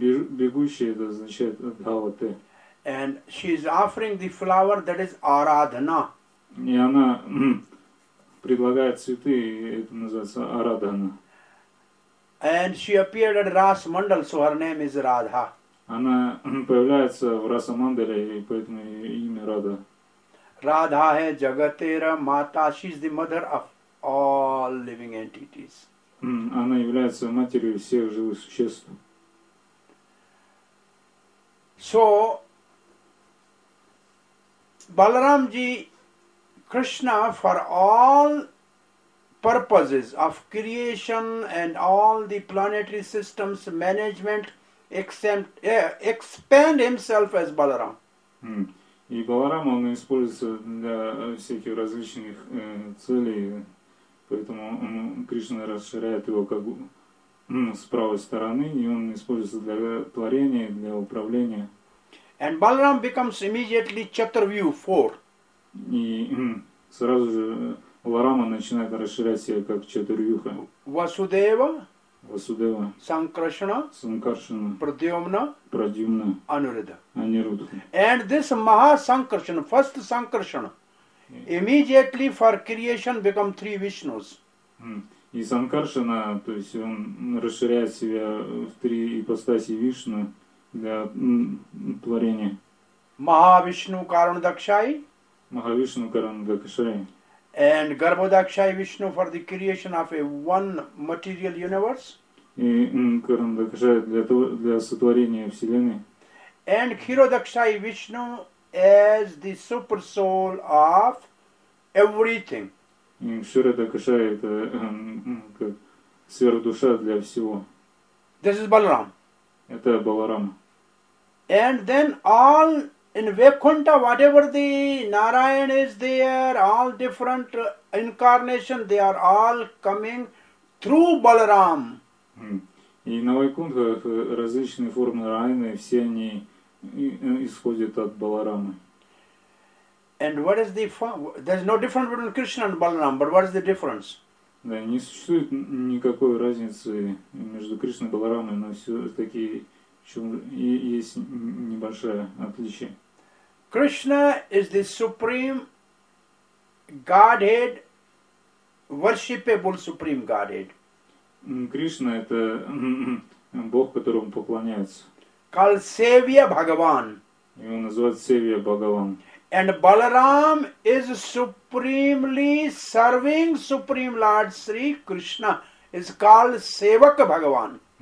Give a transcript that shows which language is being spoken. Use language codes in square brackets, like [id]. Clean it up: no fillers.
[ru] Бегущая, это означает Dhavate. [en] And she is offering the flower that is Aradhana. [ru] И она предлагает цветы, и это называется Aradhana. [en] And she appeared at Ras Mandal, so her name is Radha. [ru] Она появляется в Раса Мандале, и поэтому ее имя Радха. [bn] Radha hai jagatera mata. [en] She is the mother of all living entities. [ru] Она является матерью всех живых существ. [en] So, Balaramji, Krishna, for all purposes of creation and all the planetary systems management, expand himself as Balaram. [ru] И Баларама, он используется для всяких различных целей, поэтому Кришна расширяет его как с правой стороны, и он используется для творения, для управления. [en] And Balaram becomes immediately Chaturvyuh, four. [ru] И сразу же Баларама начинает расширять себя как Чатурвьюха. Васудева. Васудева. Санкаршана. Санкаршана. Прадьюмна. Прадьюмна. Анурада. Анируда. [en] And this Mahasankarsana, first Sankarsana, immediately for creation become three Vishnus. [ru] И Санкаршана, то есть он расширяет себя в три ипостаси Вишну для творения. Махавишну Карана Дакшай. Махавишну Карана Дакшай. [en] And Garbhodakshaya Vishnu for the creation of a one material universe. [ru] И Карандакшая для сотворения Вселенной. [en] And Хиродакшаи Вишну as the super soul of everything. [ru] И Хиродакшая это как сверхдуша для всего. [en] This is Balaram. [ru] Это Баларама. [en] And then all in Vaikuntha, whatever the Narayan is there, all different incarnation, they are all coming through Balaram. [ru] И на Вайкунтхах различные формы Нараяны, все они исходят от Баларамы. [en] And what is the there's no difference between Krishna and Balaram, but what is the difference? [ru] Да, не существует никакой разницы между Кришной и Баларамой, но все-таки есть небольшое отличие. [en] Krishna is the supreme Godhead, worshipable supreme Godhead. [ru] Krishna это Бог, которому поклоняется. [en] Called Sevya Bhagavan. [ru] Его называют Sevya Bhagavan. [en] And Balaram is supremely serving Supreme Lord Sri Krishna. Is called Sevak Bhagavan.